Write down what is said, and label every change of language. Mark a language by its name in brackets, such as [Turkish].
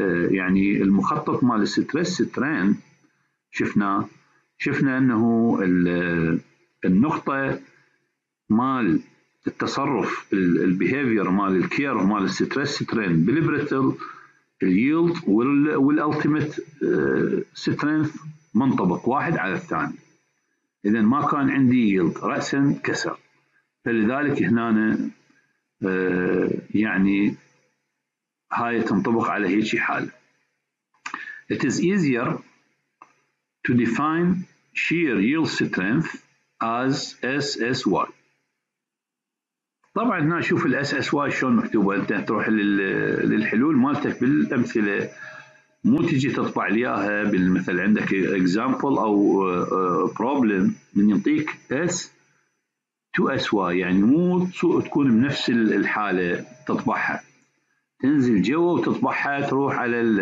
[Arabic] يعني المخطط مال الستريس ترين شفنا أنه النقطة مال التصرف البيهيفير مال الكير مال الستريس ترين بالبريتل اليلد والألتيميت سترينث منطبق واحد على الثاني إذن ما كان عندي يلد رأسا كسر فلذلك هنا يعني هاي تنطبق على هيك حال. [English] It is easier to define shear yield strength as SSY. [Arabic] طبعا هنا شوف الـ SSY شلون مكتوبة أنت تروح للحلول مالتك بالأمثلة مو تجي تطبع لياها بالمثل عندك example أو problem من يعطيك S to SY يعني مو تكون بنفس الحالة تطبعها تنزل جوا وتطبعها تروح على